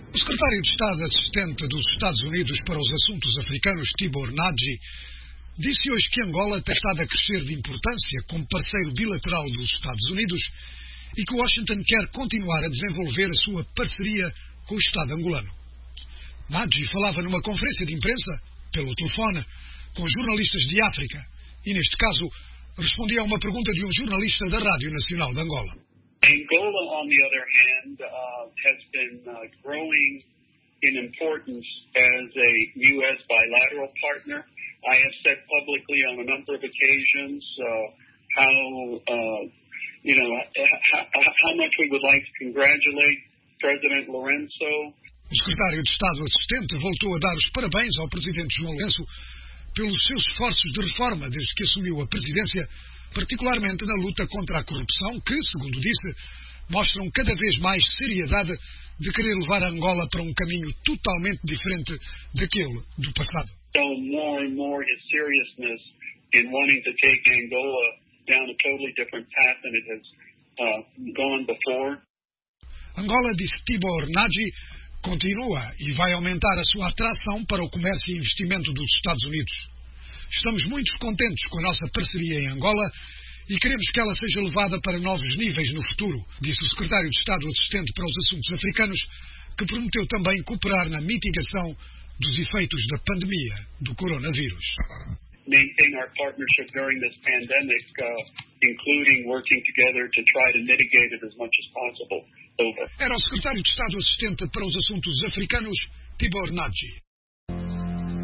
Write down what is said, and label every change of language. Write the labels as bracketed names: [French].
[Portuguese] O secretário de Estado assistente dos Estados Unidos para os Assuntos Africanos, Tibor Nagy, disse hoje que Angola tem estado a crescer de importância como parceiro bilateral dos Estados Unidos e que Washington quer continuar a desenvolver a sua parceria com o Estado angolano. Nagy falava numa conferência de imprensa, pelo telefone, com jornalistas de África, e neste caso respondia a uma pergunta de um jornalista da Rádio Nacional de Angola. [English] Angola, on the other hand, has been growing in importance as a U.S. bilateral partner. I have said publicly on a number of occasions how much we would like to congratulate President Lourenço. [Portuguese] O secretário de Estado assistente voltou a dar os parabéns ao presidente João Lourenço pelos seus esforços de reforma desde que assumiu a presidência, particularmente na luta contra a corrupção, que, segundo disse, mostram cada vez mais seriedade de querer levar a Angola para um caminho totalmente diferente daquele do passado. Então, [English] more and more his seriousness in wanting to take Angola down a totally different path than it has gone before. [Portuguese] Angola, disse Tibor Nagy, continua e vai aumentar a sua atração para o comércio e investimento dos Estados Unidos. Estamos muito contentes com a nossa parceria em Angola e queremos que ela seja levada para novos níveis no futuro, disse o secretário de Estado assistente para os assuntos africanos, que prometeu também cooperar na mitigação dos efeitos da pandemia do coronavírus. [English] Maintain our partnership during this pandemic, including working together to try to mitigate it as much as possible. [Portuguese] Era o secretário de Estado assistente para os assuntos africanos, Tibor Nagy.